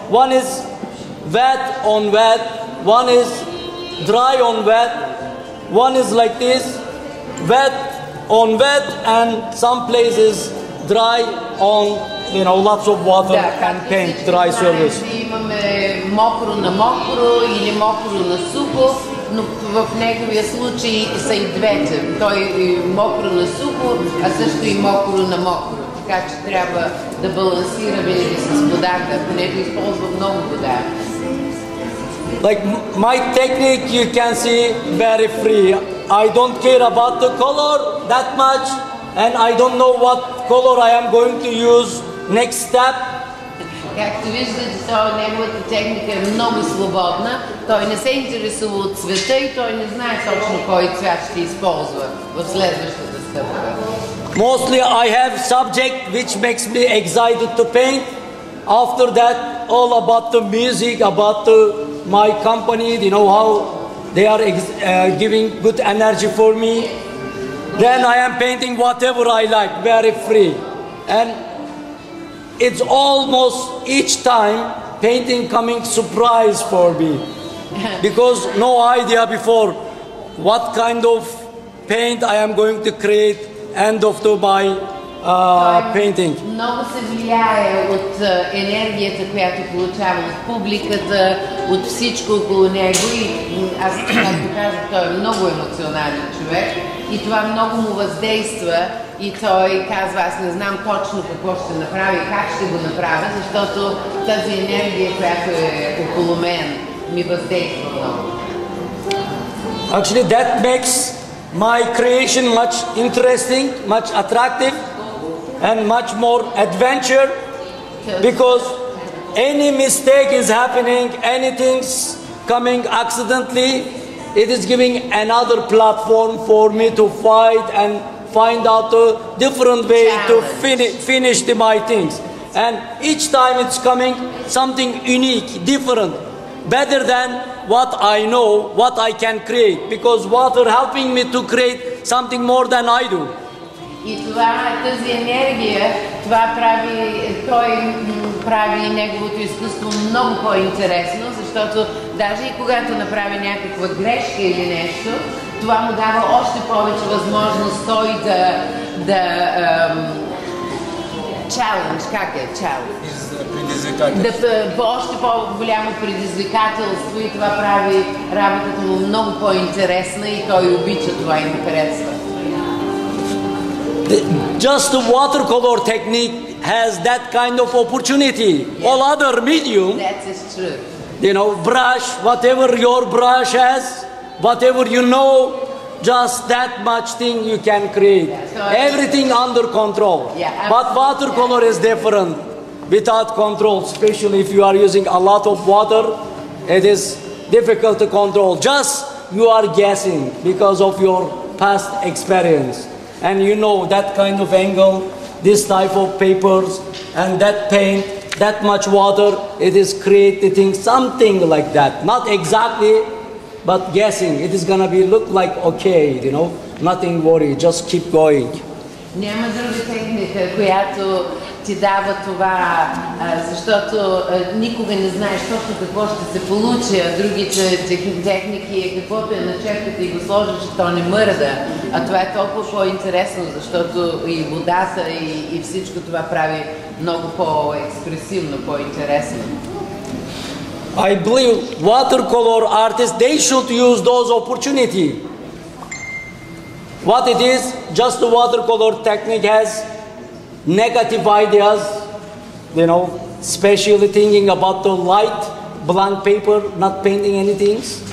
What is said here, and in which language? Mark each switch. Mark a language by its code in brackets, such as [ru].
[en] One is wet on wet, one is dry on wet, one is like this, wet on wet, and some places dry on, you know, lots of water, [bg] да, [en] and paint, dry surface. [bg] Имаме мокро на мокро или мокро на сухо, но в неговия случай са и двете. Той мокро на сухо, а също и мокро на мокро. така че трябва да балансира винаги с водата, понеже използва много вода. [en] Like my technique, you can see very free. I don't care about the color that much, and I don't know what color I am going to use next step. [bg] Както виждате, той неговата техника е много свободна. Той не се интересува от цвета и той не знае точно кой цвят ще използва в следващата стъпка. [en] Mostly I have subject which makes me excited to paint. After that, all about the music, about the my company, you know how they are giving good energy for me. Then I am painting whatever I like, very free. And it's almost each time painting coming surprise for me. Because no idea before what kind of paint I am going to create end of the my painting. [bg] Много се влияе от енергията, която получава от публиката, от всичко около него и аз, както казах, той е много емоционален човек и това много му въздейства и той казва, аз не знам точно какво ще направи, как ще го направя, защото тази енергия, която е около мен, ми въздейства много. [en] Actually, that makes my creation much interesting, much attractive. And much more adventure, because any mistake is happening, anything's coming accidentally, it is giving another platform for me to fight and find out a different way challenge to finish my things. And each time it's coming something unique, different, better than what I know, what I can create, because water helping me to create something more than I do. [bg] И това, тази енергия, това прави, той прави неговото изкуство много по-интересно, защото даже и когато направи някаква грешка или нещо, това му дава още повече възможност той да challenge, как е challenge? Да, още по-голямо предизвикателство и това прави работата му много по-интересна и той обича това и му харесва. [en] Just the watercolor technique has that kind of opportunity. Yes. All other medium, that is true. You know, brush, whatever your brush has, whatever you know, just that much thing you can create. Yeah, so everything under control. Yeah, but watercolor is different. Without control, especially if you are using a lot of water, it is difficult to control. Just you are guessing because of your past experience. And you know that kind of angle, this type of papers, and that paint, that much water, it is creating something like that. Not exactly, but guessing. It is gonna be look like okay, you know, nothing worry, just keep going. [bg] Няма друга техника, която ти дава това, защото никога не знаеш точно какво ще се получи, а другите техники е каквото е начерката и го сложиш, то не мърда. А това е толкова по-интересно, защото и водата и всичко това прави много по-експресивно, по-интересно. [en] I believe watercolor artists, they should use those opportunities. What it is, just the watercolor technique has negative ideas, you know, especially thinking about the light, blank paper, not painting anything.